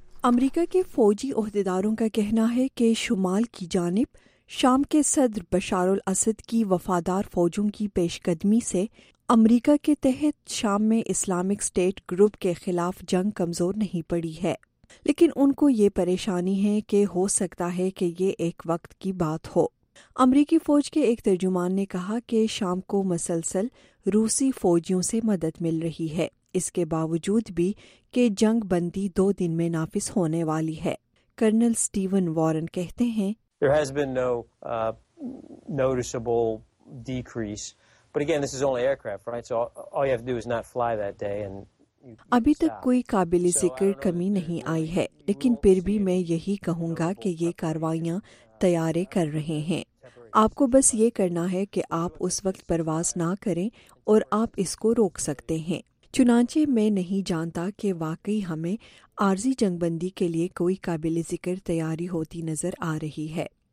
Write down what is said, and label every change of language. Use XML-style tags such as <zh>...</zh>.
<ur>امریکہ کے فوجی عہدیداروں کا کہنا ہے کہ شمال کی جانب شام کے صدر بشار الاسد کی وفادار فوجوں کی پیش قدمی سے امریکہ کے تحت شام میں اسلامک سٹیٹ گروپ کے خلاف جنگ کمزور نہیں پڑی ہے، لیکن ان کو یہ پریشانی ہے کہ ہو سکتا ہے کہ یہ ایک وقت کی بات ہو. امریکی فوج کے ایک ترجمان نے کہا کہ شام کو مسلسل روسی فوجیوں سے مدد مل رہی ہے، اس کے باوجود بھی کہ جنگ بندی دو دن میں نافذ ہونے والی ہے. کرنل سٹیون وارن کہتے ہیں</ur> <en>There has been no noticeable decrease, but again this is only aircraft, right? So all you have to do is not fly that day and</en> <ur>ابھی تک کوئی قابل ذکر کمی نہیں آئی ہے، لیکن پھر بھی میں یہی کہوں گا کہ یہ کاروائیاں تیارے کر رہے ہیں. آپ کو بس یہ کرنا ہے کہ آپ اس وقت پرواز نہ کریں اور آپ اس کو روک سکتے ہیں. چنانچہ میں نہیں جانتا کہ واقعی ہمیں عارضی جنگ بندی کے لیے کوئی قابل ذکر تیاری ہوتی نظر آ رہی ہے.</ur>